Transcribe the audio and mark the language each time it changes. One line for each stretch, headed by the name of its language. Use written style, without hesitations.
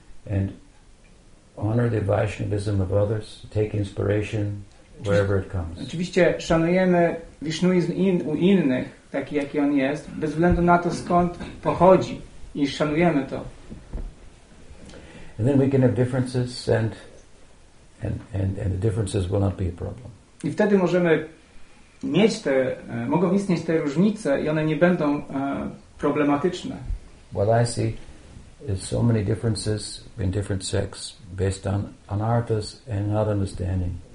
English: And honor the Vaishnavism of others, take inspiration wherever it comes.
Polish: Oczywiście szanujemy Vishnuizm u innych, taki jaki on jest, bez względu na to skąd pochodzi i szanujemy to.
English: And then we can have differences, and the differences will not be a problem.
Polish: I wtedy możemy mieć te, mogą istnieć te różnice i one nie będą problematyczne.
English: What I see is so many differences in different sects based on anarthas and not understanding.